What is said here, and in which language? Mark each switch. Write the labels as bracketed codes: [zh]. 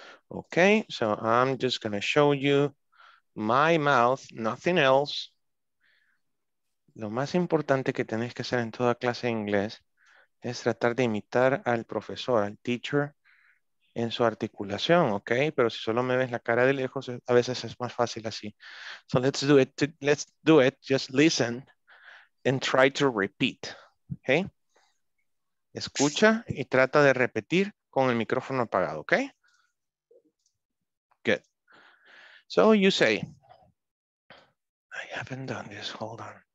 [en] Okay, so I'm just gonna show you my mouth, nothing else. [es] Lo más importante que tenés que hacer en toda clase de inglés es tratar de imitar al profesor, al teacher, en su articulación, ¿ok? Pero si solo me ves la cara de lejos, a veces es más fácil así. [en] So let's do it, just listen and try to repeat, ¿ok? [es] Escucha y trata de repetir con el micrófono apagado, ¿ok? [en] Good. So you say, I haven't done this, hold on.